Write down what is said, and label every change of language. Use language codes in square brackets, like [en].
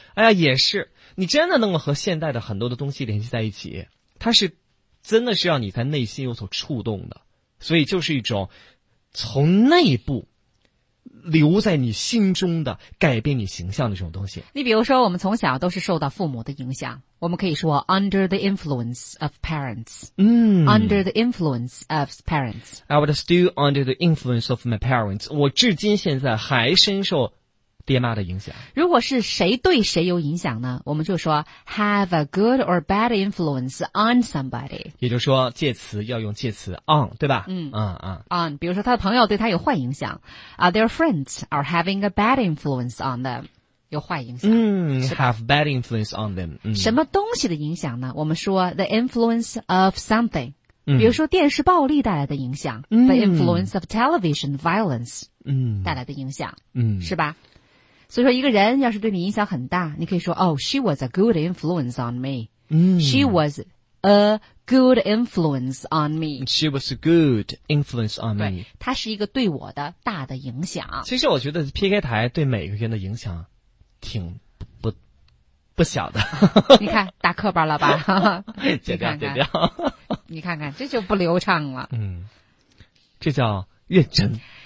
[zh] 哎呀，也是，你真的能够和现代的很多的东西联系在一起，它是真的是让你在内心有所触动的，所以就是一种从内部留在你心中的改变你形象的这种东西。你比如说，我们从小都是受到父母的影响，我们可以说 [en] under the influence of parents。嗯，under the influence of parents。 I was still under the influence of my parents。 [zh] 我至今现在还深受爹妈的影响。如果是谁对谁有影响呢？我们就说 [en] have a good or bad influence on somebody。 [zh] 也就是说，介词要用介词 on， 对吧？嗯啊啊 on。比如说，他的朋友对他有坏影响啊、， [en] their friends are having a bad influence on them。 [zh] 有坏影响。 [en] 嗯 ，have bad influence on them、嗯。 [zh] 什么东西的影响呢？我们说 [en] the influence of something、嗯。 [zh] 比如说电视暴力带来的影响、嗯、 [en] ，the influence of television violence。嗯， [zh] 带来的影响。嗯，是吧？所以说，一个人要是对你影响很大，你可以说 ， [en] Oh, she was a good influence on me。嗯，She was a good influence on me。 She was a good influence on me。 [zh] 她是一个对我的大的影响。其实我觉得 PK 台对每个人的影响。挺不小的，你看打磕巴了吧？剪掉剪掉，你看看这就不流畅了。嗯，这叫认真。